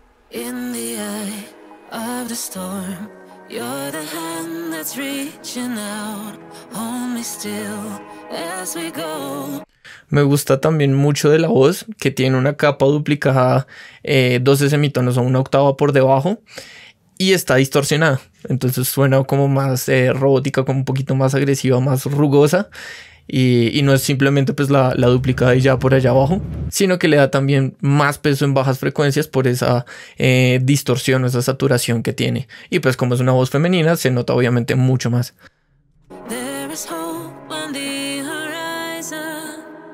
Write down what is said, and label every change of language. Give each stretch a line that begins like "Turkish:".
English: In the eye of the storm, you're the hand that's reaching out, hold me still as we go.
Spanish: Me gusta también mucho de la voz, que tiene una capa duplicada, 12 semitonos o una octava por debajo, y está distorsionada. Entonces suena como más robótica, como un poquito más agresiva, más rugosa. Y no es simplemente pues la duplicada y ya por allá abajo, sino que le da también más peso en bajas frecuencias por esa distorsión o esa saturación que tiene. Y pues como es una voz femenina, se nota obviamente mucho más.
English: There is hope on the horizon.